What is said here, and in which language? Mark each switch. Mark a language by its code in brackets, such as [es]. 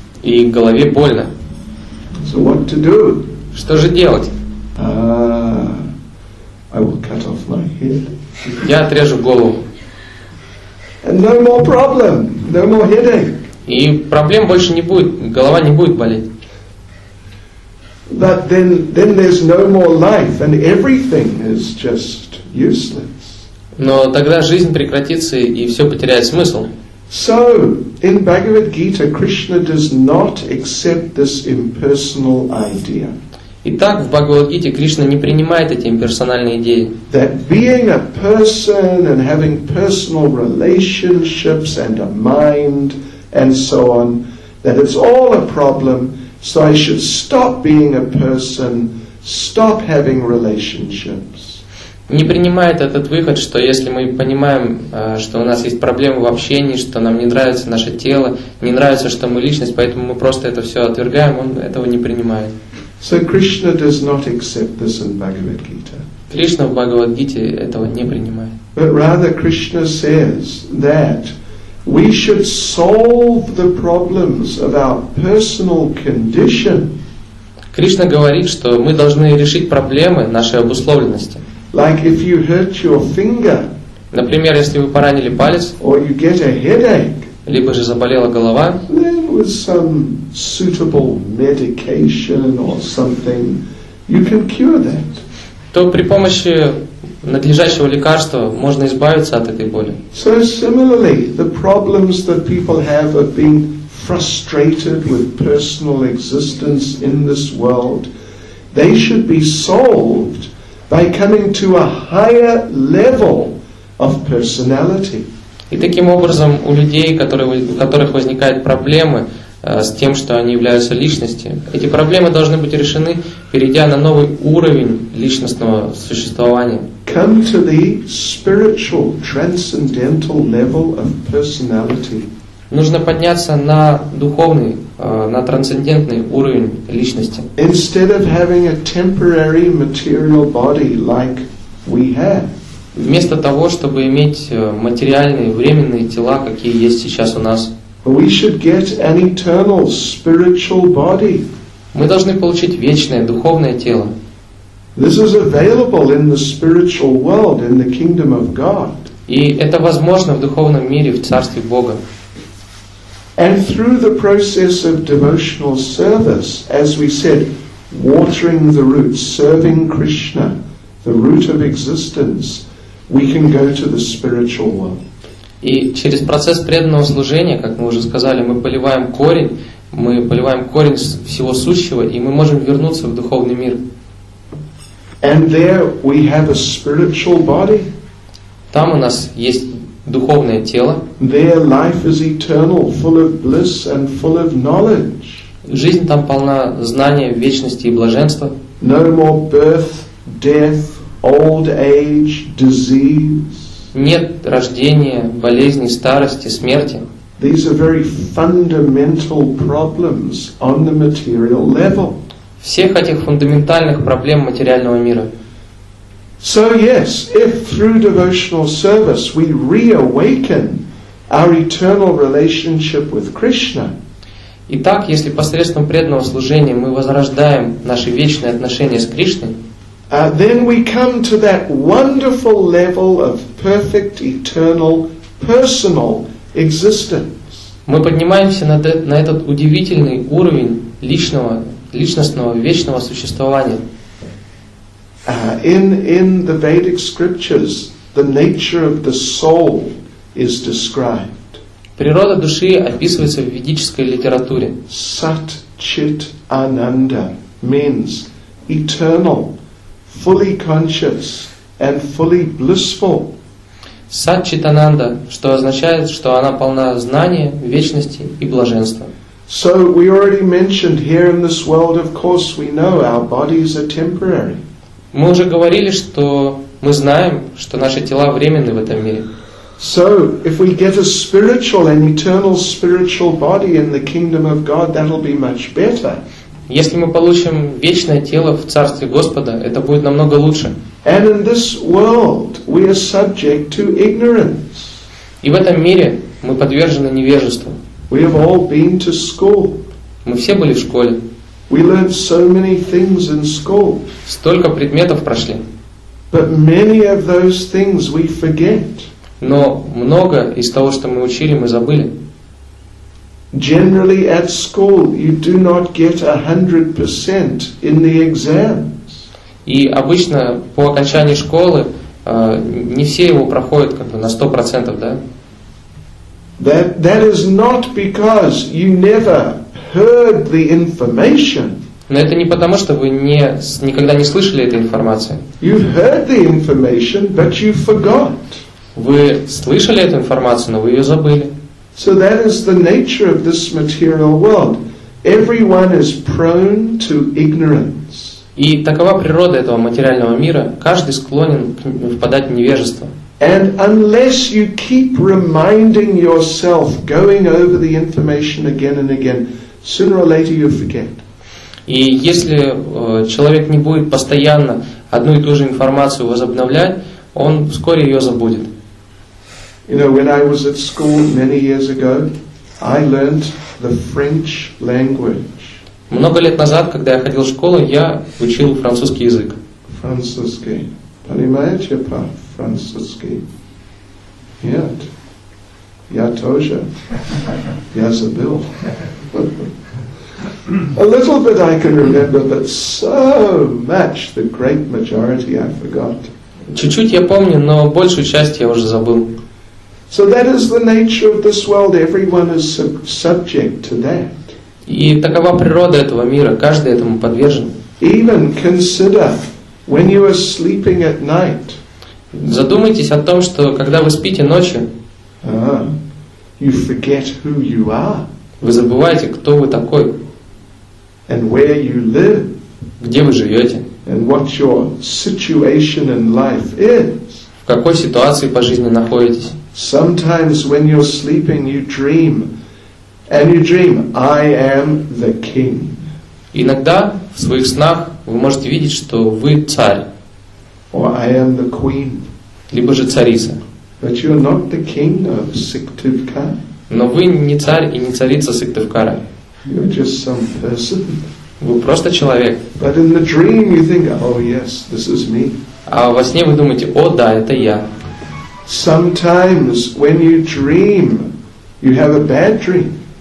[ru] И голове больно. [en] So what to do? [ru] Что же делать? [en] I will cut off my head. [ru] Я отрежу голову. [en] And no more problem. No more headache. [ru] И проблем больше не будет. Голова не будет болеть. [en] But then there's no more life, and everything is just useless. [ru] Но тогда жизнь прекратится и все потеряет смысл. [en] So in Bhagavad Gita, Krishna does not accept this impersonal idea. [ru] Итак, в Бхагавад-гите Кришна не принимает эти имперсональные идеи. [en] That being a person and having personal relationships and a mind and so on, that it's all a problem, so I should stop being a person, stop having relationships. [ru] Не принимает этот выход, что если мы понимаем, что у нас есть проблемы в общении, что нам не нравится наше тело, не нравится, что мы личность, поэтому мы просто это все отвергаем, он этого не принимает. [en] So Krishna does not accept this in Bhagavad Gita. [ru] Кришна в Бхагавад-гите этого не принимает. [en] But rather Krishna says that we should solve the problems of our personal condition. [ru] Кришна говорит, что мы должны решить проблемы нашей обусловленности. [en] Like if you hurt your finger. [ru] Например, если вы поранили палец. [en] Or you get a headache. [ru] Либо же заболела голова. [en] Then with some suitable medication or something, you can cure that. [ru] То при помощи надлежащего лекарства можно избавиться от этой боли. [en] So similarly, the problems that people have of being frustrated with personal existence in this world, they should be solved by coming to a higher level of personality. [ru] И таким образом у людей, у которых возникают проблемы с тем, что они являются личностью, эти проблемы должны быть решены, перейдя на новый уровень личностного существования. [en] Come to the spiritual transcendental level of personality. [ru] Нужно подняться на духовный, на трансцендентный уровень личности. [en] Instead of having a temporary material body like we have. [ru] Вместо того, чтобы иметь материальные, временные тела, какие есть сейчас у нас. [en] We should get an eternal spiritual body. [ru] Мы должны получить вечное, духовное тело. [en] This is available in the spiritual world, in the kingdom of God. [ru] И это возможно в духовном мире, в царстве Бога. [en] And through the process of devotional service, as we said, watering the roots, serving Krishna, the root of existence, we can go to the spiritual world. [ru] И через процесс преданного служения, как мы уже сказали, мы поливаем корень всего сущего, и мы можем вернуться в духовный мир. [en] And there we have a spiritual body. [ru] Там у нас есть духовное тело. [en] There life is eternal, full of bliss and full of knowledge. [ru] Жизнь там полна знания, вечности и блаженства. [en] No more birth, death, old age, disease. [ru] Нет рождения, болезни, старости, смерти. [en] These are very fundamental problems on the material level. [ru] Всех этих фундаментальных проблем материального мира. [en] So yes, if through devotional service we reawaken our eternal relationship with Krishna. [ru] Итак, если посредством преданного служения мы возрождаем наши вечные отношения с Кришной, [en] Then we come to that wonderful level of perfect, eternal, personal existence. [ru] Мы поднимаемся на этот удивительный уровень личностного, вечного существования. [en] In the Vedic scriptures, the nature of the soul is described. [ru] Природа души описывается в ведической литературе. [en] Sat Chit Ananda means eternal, fully conscious and fully blissful. [ru] Sat Chit Ananda, что означает, что она полна знания, вечности и блаженства. [en] So we already mentioned here in this world, of course, we know our bodies are temporary. [ru] Мы уже говорили, что мы знаем, что наши тела временны в этом мире. [en] So, if we get a spiritual and eternal spiritual body in the kingdom of God, that'll be much better. [ru] Если мы получим вечное тело в царстве Господа, это будет намного лучше. [en] And in this world, we are subject to ignorance. [ru] И в этом мире мы подвержены невежеству. [en] We have all been to school. [ru] Мы все были в школе. [en] We learned so many things in school. [ru] Столько предметов прошли. [en] But many of those things we forget. [ru] Но много из того, что мы учили, мы забыли. [en] Generally at school you do not get 100% in the exams. [ru] И обычно по окончании школы не все его проходят как бы на 100%, да? [en] That is not because you never heard the information. [ru] Но это не потому, что вы никогда не слышали этой информации. [en] You heard the information, but you forgot. [ru] Вы слышали эту информацию, но вы ее забыли. [en] So that is the nature of this material world. Everyone is prone to ignorance. [ru] И такова природа этого материального мира. Каждый склонен впадать в невежество. [en] And unless you keep reminding yourself, going over the information again and again, sooner or later you forget. [ru] И если человек не будет постоянно одну и ту же информацию возобновлять, он вскоре ее забудет. [en] You know, when I was at school many years ago, I learned the French language. [ru] Много лет назад, когда я ходил в школу, я учил французский язык. Французский. Понимаете, по-французски? Нет. Я тоже. Я забыл. [en] A little bit I can remember, but so much, the great majority I forgot. [ru] Чуть-чуть я помню, но большую часть я уже забыл. [en] So that is the nature of this world. Everyone is subject to that. [ru] И такова природа этого мира. Каждый этому подвержен. [en] Even consider when you are sleeping at night. [ru] Задумайтесь о том, что когда вы спите ночью, [en] you forget who you are. [ru] Вы забываете, кто вы такой. [en] And where you live. [ru] Где вы живете. [en] And what your situation in life is. [ru] В какой ситуации по жизни находитесь. [en] Sometimes when you're sleeping, you dream, and you dream, I am the king. [ru] Иногда в своих снах вы можете видеть, что вы царь. [en] Or I am the queen. [ru] Либо же царица. [en] But you're not the king of Сыктывкар. [ru] Но вы не царь и не царица Сыктывкара. [en] You're just some person. [ru] Вы просто человек. [en] But in the dream you think, oh yes, this is me. [ru] А во сне вы думаете, о да, это я. [en] Sometimes when you dream, you have a bad dream.